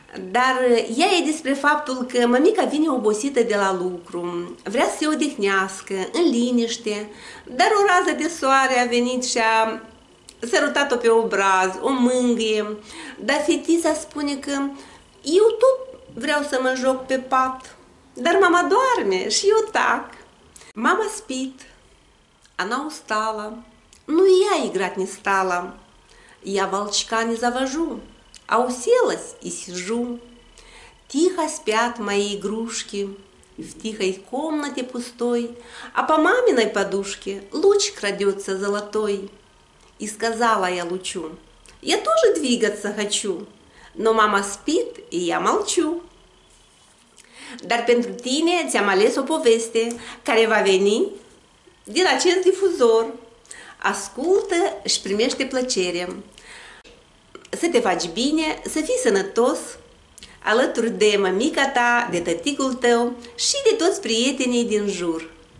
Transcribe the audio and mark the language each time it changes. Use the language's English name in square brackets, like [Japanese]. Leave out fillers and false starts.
[Romanian] Dar ea e despre faptul că mămica vine obosită de la lucru, vrea să se odihnească, în liniște, dar o rază de soare a venit și a sărutat-o pe obraz, o mângâie, dar fetița spune că eu tot vreau să mă joc pe pat, dar mama doarme și eu tac. [Russian] Mama spit, она устала, но и я играть не стала. Я волчка не завожу, а уселась и сижу. Тихо спят мои игрушки в тихой комнате пустой, а по маминой подушке луч крадется золотой. И сказала я лучу, я тоже двигаться хочу, но мама спит, и я молчу. [Romanian] Dar pentru tine ți-am ales o poveste care va veni din acest difuzor. Ascultă și primește plăcere. Să te faci bine, să fii sănătos, alături de mămica ta, de tăticul tău și de toți prietenii din jur.